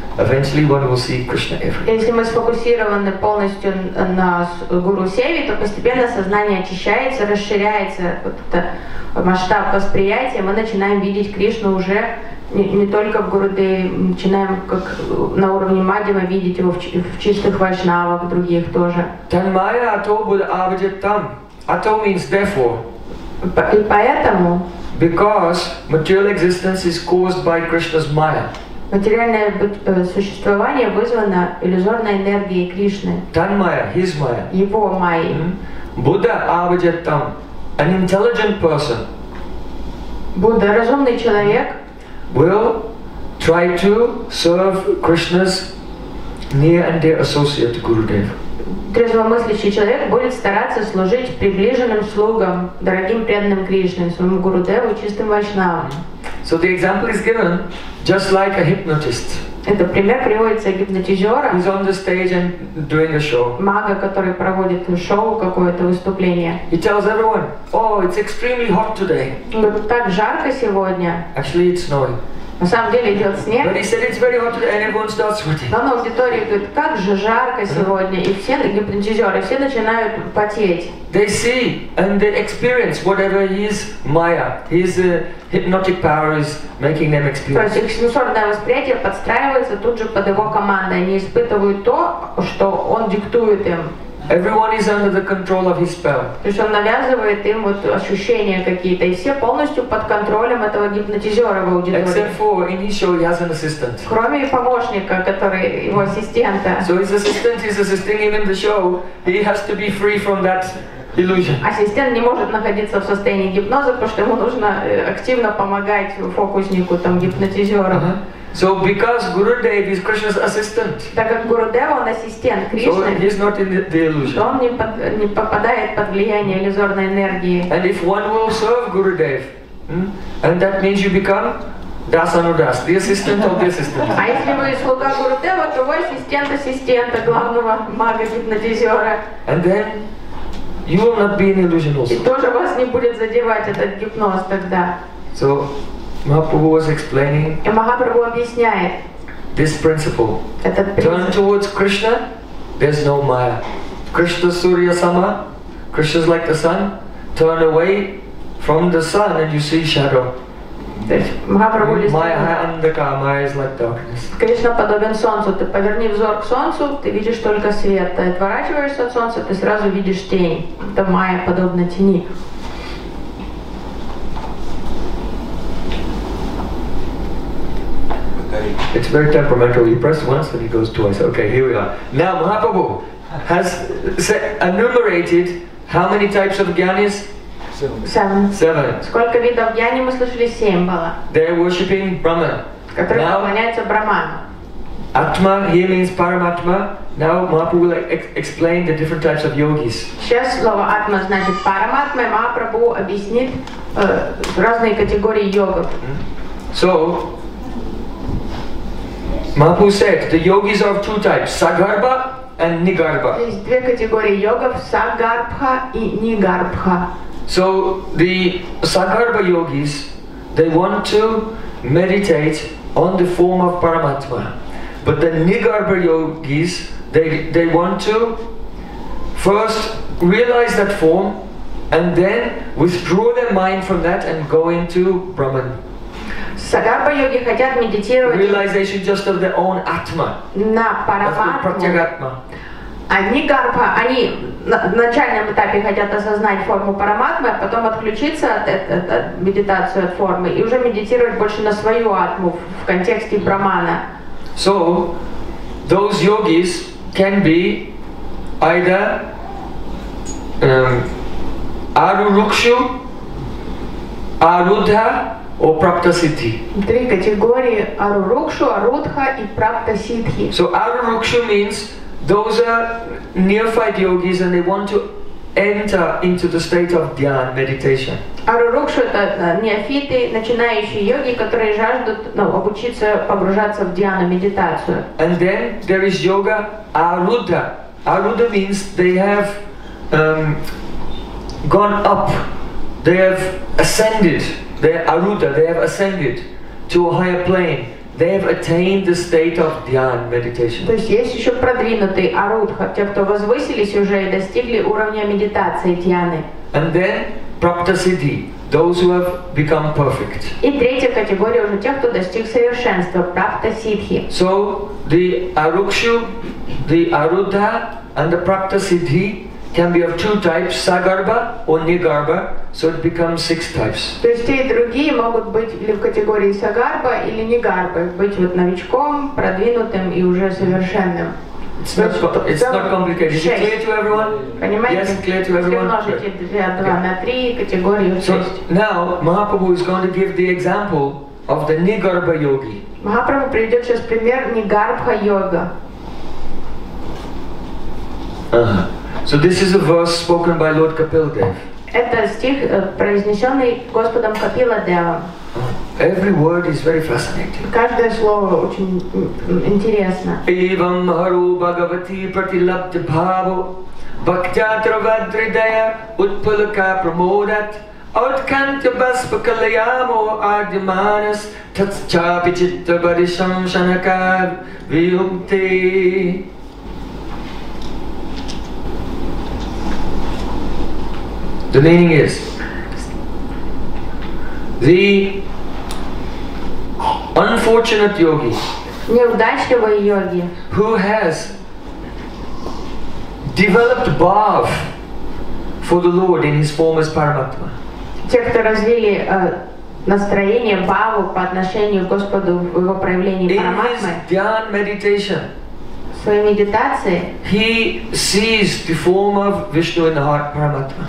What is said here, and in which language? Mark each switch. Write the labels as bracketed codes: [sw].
[en] Eventually one will see Krishna everywhere. [ru] Если мы сфокусированы полностью на Гуру Севе, то постепенно сознание очищается, расширяется вот это масштаб восприятия, мы начинаем видеть Кришну уже не только в Гурудеве, начинаем как на уровне Мадхьямы видеть его в чистых вайшнавах, других тоже. [sa] Tanmaya ato buddha avajattam. [en] Ato means therefore. [ru] И поэтому. [en] Because material existence is caused by Krishna's Maya. [ru] Материальное существование вызвано иллюзорной энергией Кришны. [en] Tanmaya, his Maya. [ru] Его Майи. [sa] Buddha avajattam, [en] an intelligent person. [ru] Будда, разумный человек. [en] Will try to serve Krishna's near and dear associate Gurudev. [ru] Трезвомыслящий человек будет стараться служить приближенным слугам, дорогим преданным Кришне, своему Гурудеву, чистым вайшнавам. [en] So the example is given just like a hypnotist. [ru] Это пример приводится гипнотизёра. [en] He's on the stage and doing a show. [ru] Мага, который проводит шоу, какое-то выступление. [en] He tells everyone, oh, it's extremely hot today. [ru] Так жарко сегодня. [en] Actually, it's snowing. [ru] На самом деле идет снег. [en] But he said it's very hot today and everyone starts sweating. [ru] Но на аудитории говорит, как же жарко сегодня. И все гипнотизеры, все начинают потеть. [en] They see and they experience whatever his maya, his hypnotic power is making them experience. [ru] То есть их сенсорное восприятие подстраивается тут же под его командой. Они испытывают то, что он диктует им. [en] Everyone is under the control of his spell. [ru] То есть он навязывает им вот ощущения какие-то, и все полностью под контролем этого гипнотизера в аудитории. [en] Except for initial, he has an assistant. [ru] Кроме помощника, который его ассистента. [en] So his assistant is assisting him in the show. He has to be free from that illusion. [ru] Ассистент не может находиться в состоянии гипноза, потому что ему нужно активно помогать фокуснику, там гипнотизеру. [en] So because Gurudev is Krishna's assistant. [ru] Так как Гурудев он ассистент Кришны. [en] So he's not in the illusion. [ru] Он не попадает под влияние иллюзорной энергии. [en] And if one will serve Gurudev, and that means you become Dasanudas, the assistant of the assistant. [ru] А если вы слуга Гурудева, то вы ассистент ассистента главного мага гипнотизера. [en] And then you will not be in illusion also. [ru] И тоже вас не будет задевать этот гипноз тогда. [en] So Mahaprabhu was explaining. [ru] И Махапрабху объясняет. [en] This principle. [ru] Этот принцип. [en] Turn towards Krishna. There's no Maya. [sa] Krishna Surya Sama. [en] Krishna is like the sun. Turn away from the sun and you see shadow. [ru] Махапрабху говорит. [sa] Maya Andhakara. [en] Maya is like darkness. [ru] Кришна подобен солнцу. Ты поверни взор к солнцу, ты видишь только свет. Ты отворачиваешься от солнца, ты сразу видишь тень. Это Maya подобна тени. [en] It's very temperamental. You press once and it goes twice. Okay, here we are. Now Mahaprabhu has enumerated how many types of jnanis? Seven. [ru] Сколько видов jnani мы слышали? Семь было. [en] They're worshipping Brahman. [ru] Который поклоняется Брахману. [en] Atma, he means Paramatma. Now Mahaprabhu will explain the different types of yogis. [ru] Сейчас слово Atma значит Paramatma, и Mahaprabhu объяснит разные категории йогов. [en] So Mahaprabhu said the yogis are of two types, Sagarbha and Nigarbha. There are two categories of yogis, Sagarbha and Nigarbha. So the Sagarbha yogis, they want to meditate on the form of Paramatma. But the Nigarbha yogis, they want to first realize that form and then withdraw their mind from that and go into Brahman. [ru] Сагарба йоги хотят медитировать. [en] Realization just of their own atma. [ru] На параматму. А нигарба, они в начальном этапе хотят осознать форму параматмы, а потом отключиться от медитации от формы и уже медитировать больше на свою атму в контексте брахмана. [en] So those yogis can be either Arurukshu, Arudha. Or Prapta Siddhi. [ru] Три категории: Арурукшу, Арудха и Прапта Сиддхи. [en] So Арурукшу means those are neophyte yogis and they want to enter into the state of dhyana meditation. [ru] Арурукшу это неофиты, начинающие йоги, которые жаждут обучиться погружаться в дхьяну медитацию. [en] And then there is yoga Арудха. Арудха means they have gone up, they have ascended. They are Arudha, they have ascended to a higher plane. They have attained the state of dhyan meditation. [ru] То есть есть еще продвинутые Арудха, те, кто возвысились уже и достигли уровня медитации дьяны. [en] And then Prapta Siddhi, those who have become perfect. [ru] И третья категория уже тех, кто достиг совершенства, Prapta Siddhi. [en] So the Arukshu, the Arudha and the Prapta Siddhi can be of two types, Sagarbha or Nigarbha, so it becomes six types. [ru] То есть те и другие могут быть или в категории Сагарбха или Нигарбха, быть вот новичком, продвинутым и уже совершенным. [en] It's not complicated. Is it clear to everyone? [ru] Понимаете? [en] Yes, clear to everyone. [ru] Если умножите 2 на 3, категорию 6. [en] So now Mahaprabhu is going to give the example of the Nigarbha yogi. [ru] Mahaprabhu приведет сейчас пример Нигарбха йога. [en] So this is a verse spoken by Lord Kapiladev. [ru] Это стих, произнесенный Господом Капиладевом. [en] Every word is very fascinating. [ru] Каждое слово очень интересно. [sa] Evam haru bhagavati pratilabdha bhavo bhaktyatravadridaya utpulaka pramodat utkanta baspakalayamo adhyamanas tatschapichitta varisham shanakar viyukti. [en] The meaning is the unfortunate yogi [ru] неудачливый йоги [en] who has developed bhav for the Lord in his form as Paramatma. [ru] Те, кто развили настроение бхаву по отношению к Господу в его проявлении Параматмы, в своей медитации, [en] he sees the form of Vishnu in the heart, Paramatma.